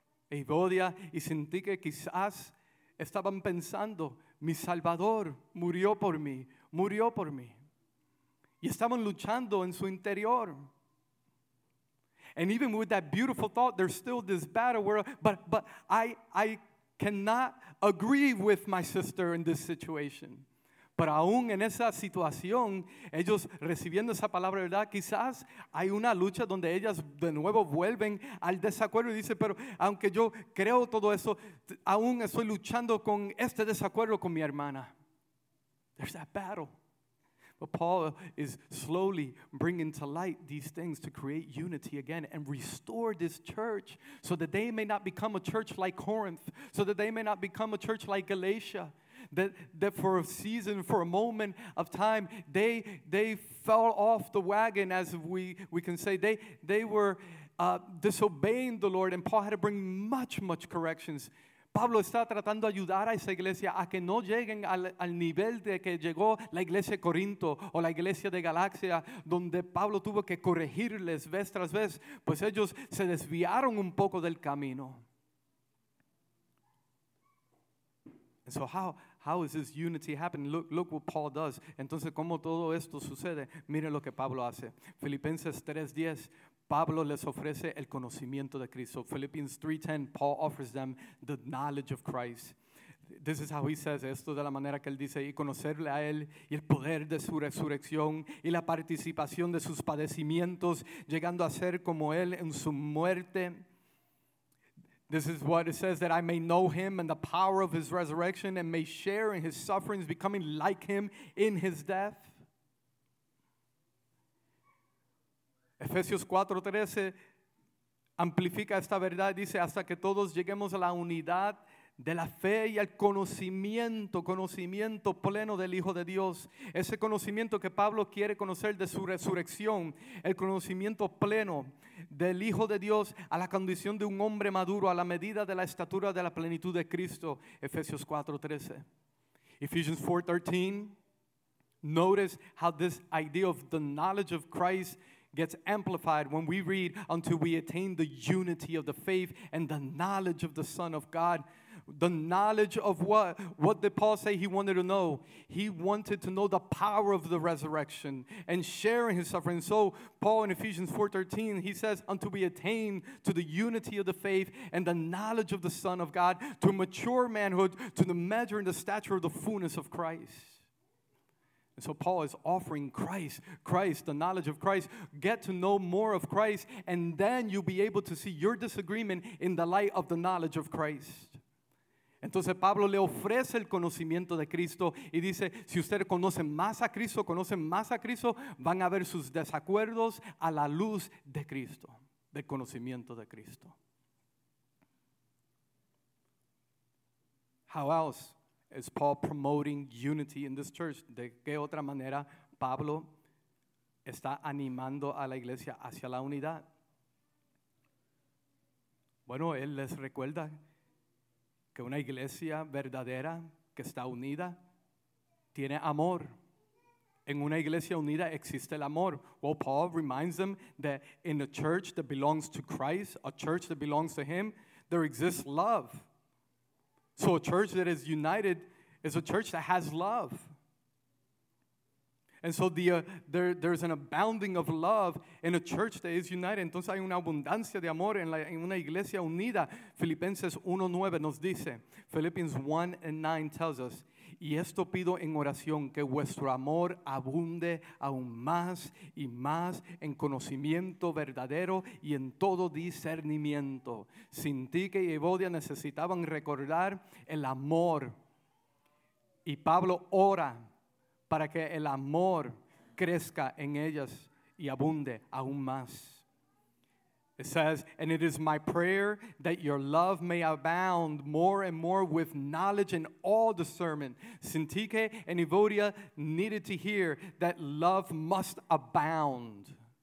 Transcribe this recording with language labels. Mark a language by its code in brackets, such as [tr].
[es] Evodia y Syntyche quizás estaban pensando, mi Salvador murió por mí, murió por mí. Y estaban luchando en su interior. [en] And even with that beautiful thought, there's still this battle where, but I cannot agree with my sister in this situation. [es] Pero aún en esa situación, ellos recibiendo esa palabra de verdad, quizás hay una lucha donde ellas de nuevo vuelven al desacuerdo y dicen, pero aunque yo creo todo eso, aún estoy luchando con este desacuerdo con mi hermana. [en] There's that battle. But Paul is slowly bringing to light these things to create unity again and restore this church so that they may not become a church like Corinth, so that they may not become a church like Galatia, that for a season, for a moment of time, they fell off the wagon, as we can say. They were disobeying the Lord, and Paul had to bring much, much corrections. [es] Pablo está tratando de ayudar a esa iglesia a que no lleguen al nivel de que llegó la iglesia de Corinto o la iglesia de Galacia, donde Pablo tuvo que corregirles vez tras vez, pues ellos se desviaron un poco del camino. [en] And so how is this unity happening? Look what Paul does. [es] Entonces, ¿cómo todo esto sucede? Mire lo que Pablo hace. Filipenses 3:10. Pablo les ofrece el conocimiento de Cristo. [en] Philippians 3:10, Paul offers them the knowledge of Christ. This is how he says, [es] esto de la manera que él dice, y conocerle a él y el poder de su resurrección y la participación de sus padecimientos, llegando a ser como él en su muerte. [en] This is what it says, that I may know him and the power of his resurrection and may share in his sufferings, becoming like him in his death. [es] Efesios 4:13 amplifica esta verdad, dice, hasta que todos lleguemos a la unidad de la fe y al conocimiento pleno del Hijo de Dios. Ese conocimiento que Pablo quiere conocer de su resurrección, el conocimiento pleno del Hijo de Dios a la condición de un hombre maduro, a la medida de la estatura de la plenitud de Cristo. Efesios 4:13. [en] Efesios 4:13, notice how this idea of the knowledge of Christ gets amplified when we read, until we attain the unity of the faith and the knowledge of the Son of God. The knowledge of what? What did Paul say he wanted to know? He wanted to know the power of the resurrection and share in his suffering. So Paul in Ephesians 4:13, he says, until we attain to the unity of the faith and the knowledge of the Son of God, to mature manhood, to the measure and the stature of the fullness of Christ. And so Paul is offering Christ, the knowledge of Christ. Get to know more of Christ, and then you'll be able to see your disagreement in the light of the knowledge of Christ. [es] Entonces Pablo le ofrece el conocimiento de Cristo y dice, si ustedes conocen más a Cristo, van a ver sus desacuerdos a la luz de Cristo, del conocimiento de Cristo. [en] How else is Paul promoting unity in this church? [es] ¿De qué otra manera Pablo está animando a la iglesia hacia la unidad? Bueno, él les recuerda que una iglesia verdadera que está unida tiene amor. En una iglesia unida existe el amor. [en] Well, Paul reminds them that in a church that belongs to Christ, a church that belongs to him, there exists love. So a church that is united is a church that has love. And so there's an abounding of love in a church that is united. [es] Entonces hay una abundancia de amor en una iglesia unida. Filipenses 1:9 nos dice, [en] Philippians 1:9 tells us, [es] y esto pido en oración, que vuestro amor abunde aún más y más en conocimiento verdadero y en todo discernimiento. Sintí que Evodia necesitaban recordar el amor. Y Pablo ora para que el amor crezca en ellas y abunde aún más. [en] It says, and it is my prayer that your love may abound more and more with knowledge and all discernment. Sintike and Evodia needed to hear that love must abound.